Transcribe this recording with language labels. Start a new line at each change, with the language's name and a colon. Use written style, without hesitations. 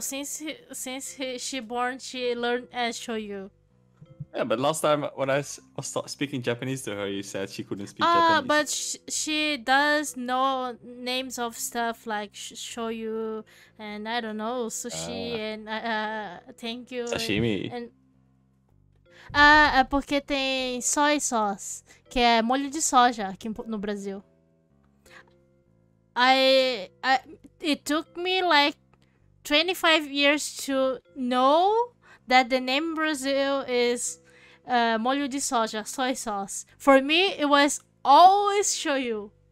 English: So since she born, she learned and show you. Yeah, but last time when I was speaking Japanese to her, you said she couldn't speak Japanese. But she does know names of stuff like shoyu and I don't know, sushi and thank you. Sashimi.
Portuguese: É porque tem soy sauce, que é molho de soja aqui no Brasil.
English: It took me like 25 years to know that the name Brazil is...
Portuguese: molho de soja,
English: soy sauce. For me, it was always shoyu.